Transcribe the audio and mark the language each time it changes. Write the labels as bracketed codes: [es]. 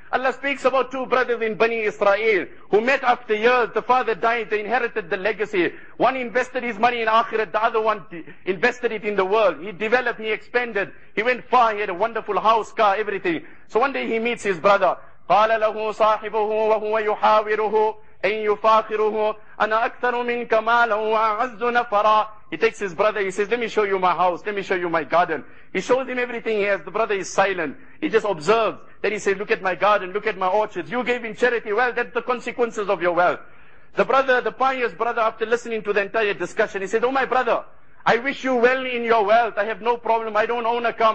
[en] Allah speaks about 2 brothers in Bani Israel who met after years. The father died. They inherited the legacy. One invested his money in akhirat. The other one invested it in the world. He developed. He expanded. He went far. He had a wonderful house, car, everything. So one day he meets his brother. [ar] قال له صاحبه وهو يحاوره أن يفاخره أنا أكثر منك مالا وأعز نفرا. [en] He takes his brother, he says, let me show you my house, let me show you my garden. He shows him everything he has. The brother is silent. He just observes. Then he says, look at my garden, look at my orchards. You gave in charity. Well, that's the consequences of your wealth. The brother, the pious brother, after listening to the entire discussion, he said, oh my brother, I wish you well in your wealth. I have no problem. I don't own a car.